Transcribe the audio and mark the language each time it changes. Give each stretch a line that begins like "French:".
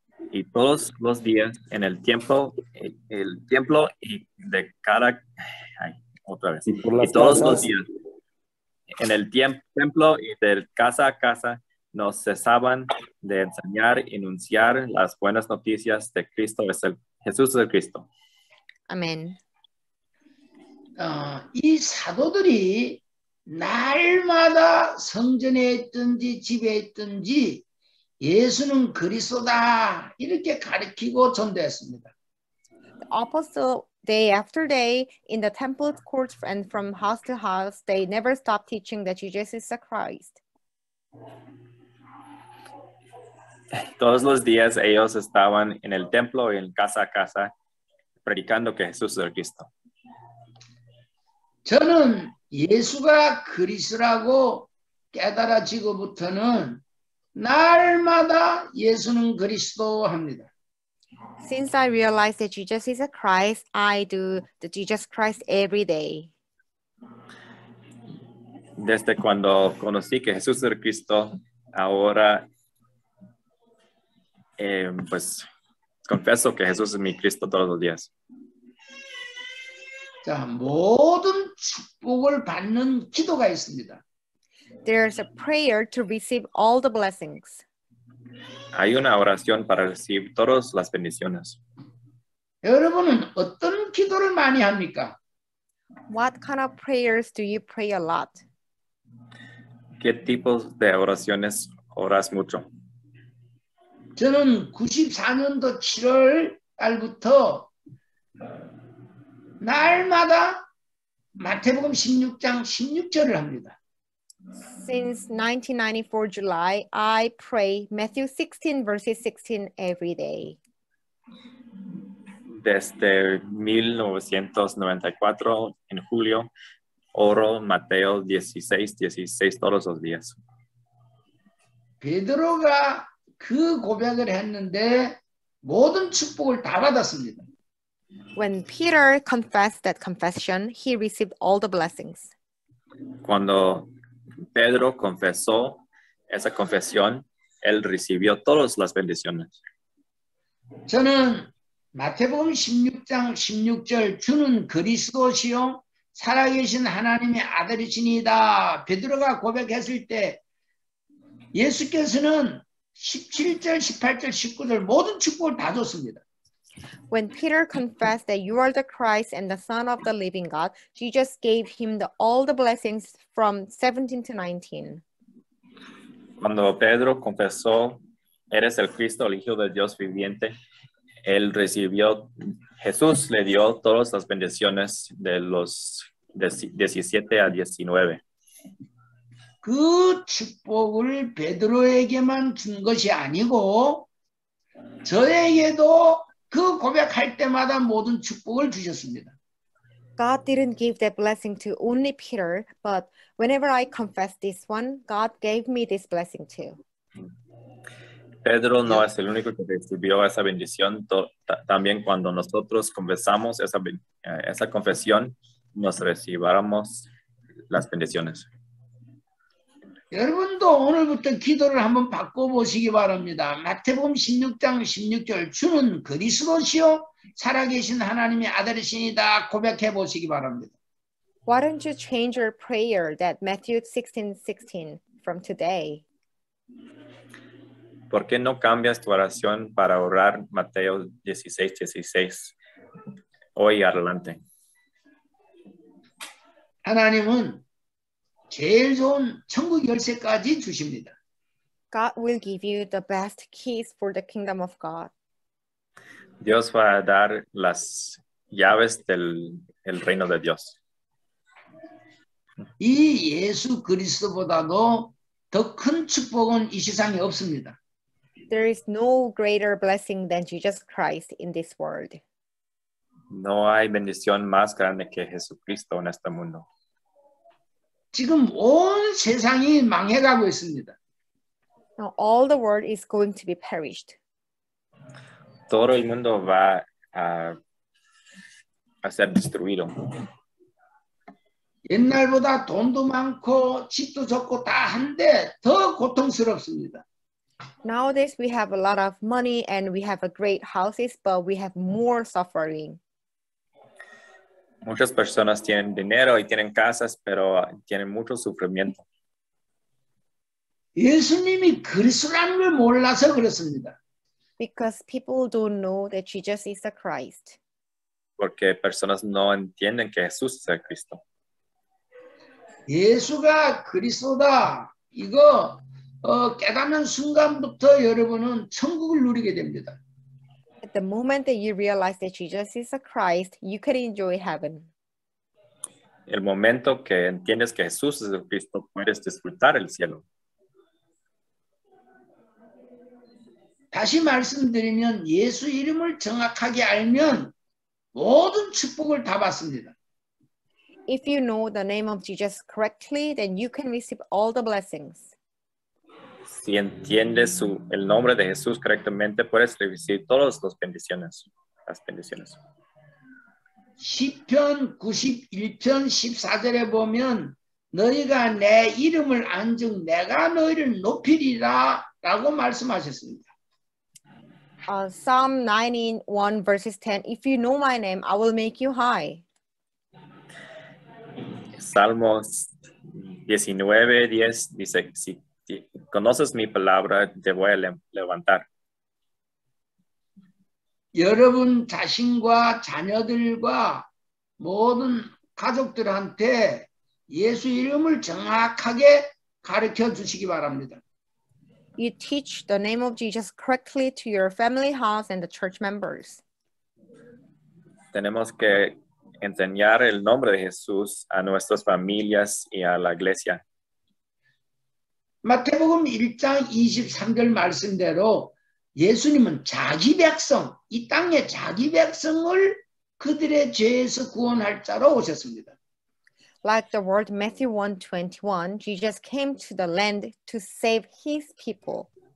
Spanish: Y todos los días en el templo y de cada otra vez. Y todos los días, en el templo y de casa a casa, no cesaban de enseñar y anunciar las buenas noticias de Cristo, Jesús es el Cristo. Amén.
Korean: 이 사도들이 날마다 성전에 있든지 집에 있든지 예수는 그리스도다 이렇게 가르치고 전도했습니다.
English: The apostle day after day in the temple courts and from house to house they never stopped teaching that Jesus is the Christ.
Spanish: Todos los días ellos estaban en el templo y en casa a casa predicando que Jesús es el Cristo.
Korean: 저는 예수가 그리스도라고 깨달아 지고부터는 날마다 예수는 그리스도 합니다.
English: Since I realized that Jesus is a Christ, I do the Jesus Christ every day.
Spanish: Desde cuando conocí que Jesús es el Cristo, ahora pues confieso que Jesús es mi Cristo todos los días.
Korean: 자, 모든 축복을 받는 기도가 있습니다.
English: There's a prayer to receive all the blessings.
Spanish: Hay una oración para recibir todas las bendiciones.
Korean: 여러분은 어떤 기도를 많이 합니까?
English: What kind of prayers do you pray a lot?
Spanish: ¿Qué tipos de oraciones oras mucho?
Korean: 저는 94년도 7월 달부터 날마다 마태복음 16장 16절을 합니다.
English: Since 1994 July, I pray Matthew 16 verses 16 every day.
Spanish: Desde 1994 en julio, oro Mateo 16:16 todos los días.
Korean: 베드로가 그 고백을 했는데 모든 축복을 다 받았습니다.
English: When Peter confessed that confession, he received all the blessings.
Spanish: Cuando Pedro confesó esa confesión, él recibió todas las bendiciones.
Korean: 저는 마태복음 16장 16절 주는 그리스도시요 살아계신 하나님의 아들이시니이다. 베드로가 고백했을 때 예수께서는 17절, 18절, 19절 모든 축복을 다 줬습니다.
English: When Peter confessed that you are the Christ and the Son of the living God, Jesus gave him all the blessings from 17 to 19.
Spanish: Cuando Pedro confesó, eres el Cristo, el Hijo de Dios viviente, él recibió, Jesús le dio todas las bendiciones de los 17 a 19.
Korean: 그 축복을 베드로에게만 준 것이 아니고, 저에게도 그 고백할 때마다 모든 축복을 주셨습니다.
English: God didn't give that blessing to only Peter, but whenever I confess this one, God gave me this blessing too.
Spanish: Pedro no es el único que recibió esa bendición. También cuando nosotros confesamos esa confesión, nos recibamos las bendiciones.
Korean: 여러분도 오늘부터 기도를 한번 바꿔보시기 바랍니다. 마태복음 16장 16절 주는 그리스도시요 살아계신 하나님의 아들이시니다 고백해보시기 바랍니다.
English: Why don't you change your prayer that Matthew 16:16 from today?
Spanish: ¿Por qué no cambias tu oración para orar Mateo 16:16 hoy adelante?
Korean: 하나님은 제일 좋은 천국 열쇠까지 주십니다.
English: God will give you the best keys for the kingdom of God.
Spanish: Dios va a dar las llaves del el reino de Dios.
Korean: 이 예수 그리스도보다도 더 큰 축복은 이 세상에 없습니다.
English: There is no greater blessing than Jesus Christ in this world.
Spanish: No hay bendición más grande que Jesucristo en este mundo.
Korean: 지금 온 세상이 망해가고 있습니다.
English: Now all the world is going to be perished.
Spanish: Todo el mundo va a ser destruido.
Korean: 옛날보다 돈도 많고 집도 적고 다 한데 더 고통스럽습니다.
English: Nowadays we have a lot of money and we have a great houses, but we have more suffering.
Spanish: Muchas personas tienen dinero y tienen casas, pero tienen mucho sufrimiento.
Korean: 예수님이 그리스도라는 걸 몰라서 그렇습니다.
English: Because people don't know that Jesus is the Christ.
Spanish: Porque personas no entienden que Jesús es el Cristo.
Korean: 예수가 그리스도다. 이거 깨닫는 순간부터 여러분은 천국을 누리게 됩니다.
English: At the moment that you realize that Jesus is the Christ, you can enjoy heaven.
Spanish: El momento que entiendes que Jesús es el Cristo, puedes disfrutar el cielo.
Korean: 다시 말씀드리면 예수 이름을 정확하게 알면 모든 축복을 다 받습니다.
English: If you know the name of Jesus correctly, then you can receive all the blessings.
Spanish: Si entiendes el nombre de Jesús correctamente, puedes recibir todas las bendiciones. Las bendiciones.
Korean: 시편 91편 14절에 보면 너희가 내 이름을 안즉 내가 너희를 높이리라 라고 말씀하셨습니다.
English: Psalm 91 verses 10. If you know my name, I will make you high.
Spanish: Salmos 19, 10 dice sí. Conoces mi palabra, te voy a levantar.
Korean: 여러분 자신과 자녀들과 모든 가족들한테 예수 이름을 정확하게 가르쳐 주시기 바랍니다.
English: You teach the name of Jesus correctly to your family house and the church members.
Spanish: Tenemos que enseñar el nombre de Jesús a nuestras familias y a la iglesia.
Korean: 마태복음 1장 23절 말씀대로 예수님은 자기 백성, 이 땅의 자기 백성을 그들의 죄에서 구원할 자로 오셨습니다.
English: Like the word Matthew 1:21, Jesus came to the land to save his people.